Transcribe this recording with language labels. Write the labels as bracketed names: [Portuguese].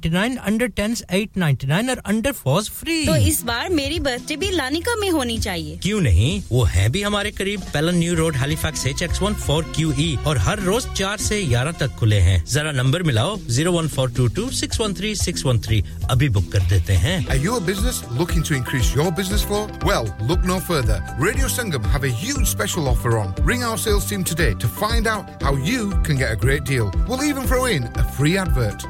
[English] $9.99, under 10s $8.99 और under 4s free. [Hindi] तो इस बार मेरी बर्थडे भी लानिका में होनी चाहिए. क्यों नहीं? वो है भी हमारे करीब Pelham New Road, Halifax HX14QE और हर रोज 4 से 11 तक खुले हैं. जरा नंबर मिलाओ 01422613613. अभी बुक कर देते हैं. [English] Are you a business looking to increase your business flow? Well, look no further. Radio Sangam have a huge special offer on. Ring our sales team today to find out how you can get a great deal. We'll even throw in a free advert.